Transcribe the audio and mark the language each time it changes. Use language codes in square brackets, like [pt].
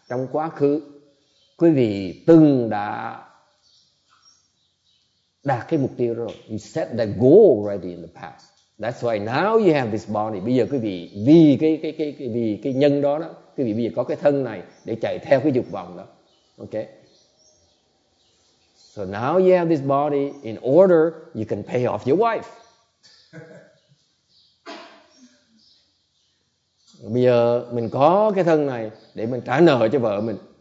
[vi] Trong quá khứ, quý vị từng đã đạt cái mục tiêu rồi. [en] You set the goal already in the past. That's why now you have this body. [vi] Bây giờ quý vị vì cái nhân đó đó, quý vị bây giờ có cái thân này để chạy theo cái dục vọng đó. [en] Okay. So now you have this body in order you can pay off your wife. [vi] Bây giờ mình có cái thân này để mình trả nợ cho vợ mình.